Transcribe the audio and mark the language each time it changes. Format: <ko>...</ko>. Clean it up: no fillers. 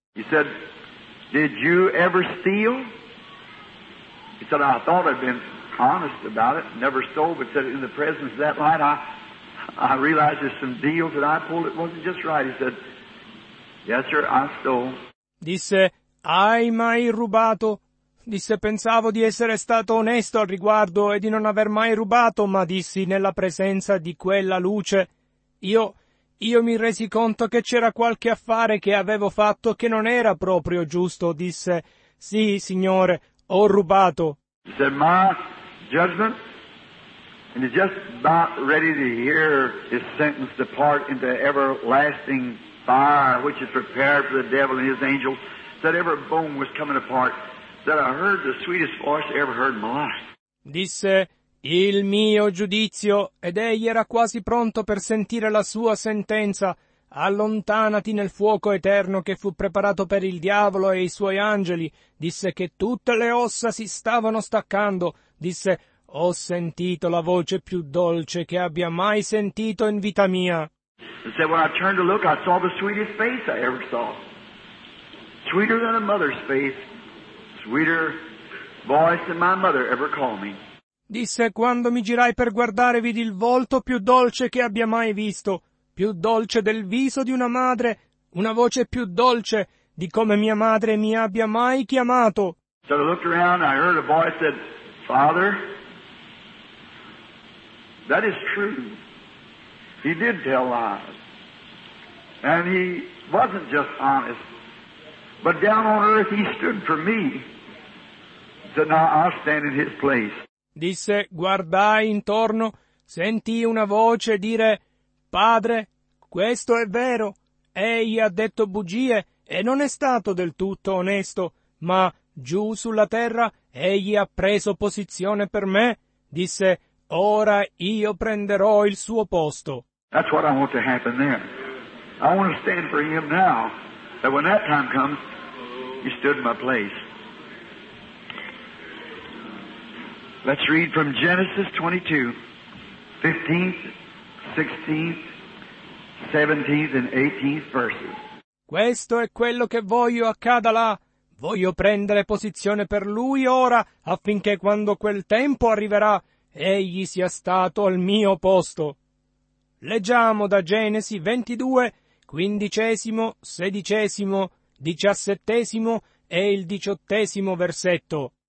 <en>He said, did you ever steal? He said, I thought I'd been honest about it, never stole, but said, in the presence of that light, I realized there's some deals that I pulled, it wasn't just right. He said, yes, sir, I stole.</en> <it>Disse, hai mai rubato? Disse, pensavo di essere stato onesto al riguardo e di non aver mai rubato, ma dissi, nella presenza di quella luce, io mi resi conto che c'era qualche affare che avevo fatto che non era proprio giusto. Disse, sì, signore, ho rubato.</it> <en>He said, my judgment, and he's just about ready to hear his sentence depart into everlasting fire, which is prepared for the devil and his angels. That every bone was coming apart, that I heard the sweetest voice I ever heard in my life.</en> <it>Disse, il mio giudizio, ed egli era quasi pronto per sentire la sua sentenza. Allontanati nel fuoco eterno che fu preparato per il diavolo e i suoi angeli. Disse che tutte le ossa si stavano staccando. Disse, ho sentito la voce più dolce che abbia mai sentito in vita mia.</it> <en>And said, when I turned to look, I saw the sweetest face I ever saw. Sweeter than a mother's face, sweeter voice than my mother ever called me.</en> <it>Disse, quando mi girai per guardare, vidi il volto più dolce che abbia mai visto, più dolce del viso di una madre, una voce più dolce di come mia madre mi abbia mai chiamato.</it> <en>So I looked around and I heard a voice said, Father, that is true. He did tell lies. And he wasn't just honest. But down on earth he stood for me, so now I stand in his place.</en> <it>Disse, guardai intorno, sentì una voce dire, Padre, questo è vero, egli ha detto bugie e non è stato del tutto onesto, ma giù sulla terra egli ha preso posizione per me. Disse, ora io prenderò il suo posto.</it> <en>That's what I want to happen there. I want to stand for him now, that when that time comes, you stood in my place. Let's read from Genesis 22, 15th, 16th, 17th and 18th verses.</en> <it>Questo è quello che voglio accada là. Voglio prendere posizione per lui ora, affinché quando quel tempo arriverà, egli sia stato al mio posto. Leggiamo da Genesi 22, 15, 16, 17 e il 18 versetto.</it>